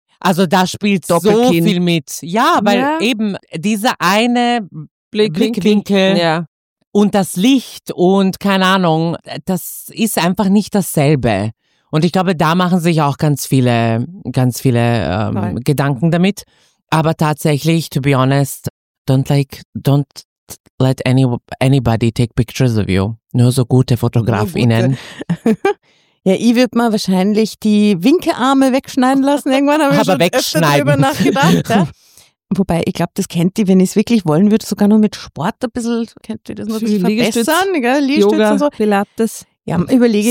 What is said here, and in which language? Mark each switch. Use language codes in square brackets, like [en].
[de] Also da spielt so viel mit. Ja, weil eben dieser eine Blickwinkel und das Licht und keine Ahnung, das ist einfach nicht dasselbe. Und ich glaube, da machen sich auch ganz viele Gedanken damit. Aber tatsächlich, [en] to be honest, don't let anybody take pictures of you. [de] Nur so gute FotografInnen. Ja, ich würde mal wahrscheinlich die Winkearme wegschneiden lassen. Irgendwann habe ich aber schon öfter darüber nachgedacht. Ja? Wobei, ich glaube, das kennt die, wenn ich es wirklich wollen würde, sogar nur mit Sport ein bisschen, könnt ihr das noch ein bisschen verbessern. Gell? Yoga, und so. Pilates. Ja, überlege